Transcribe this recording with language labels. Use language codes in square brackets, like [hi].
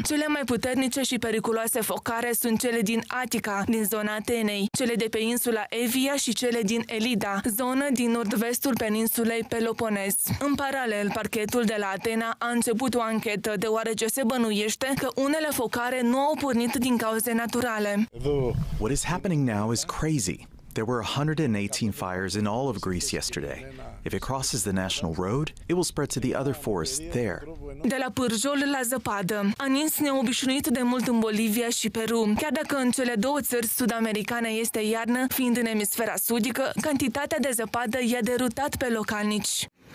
[ro] Cele mai puternice și periculoase focare sunt cele din Atica, din zona Atenei, cele de pe insula Evia și cele din Elida, zonă din nord-vestul peninsulei Peloponez. În paralel, parchetul de la Atena a început o anchetă, deoarece se bănuiește că unele focare nu au pornit din cauze naturale. [en] What is happening now is crazy. There were 118 fires in all of Greece yesterday. If it crosses the national road, it will spread to the other forests there. [ro] De la pârjol la zăpadă, a nins neobișnuit de mult în Bolivia și Peru. Chiar dacă în cele două țări sud-americane este iarnă, fiind în emisfera sudică, cantitatea de zăpadă i-a derutat pe localnici.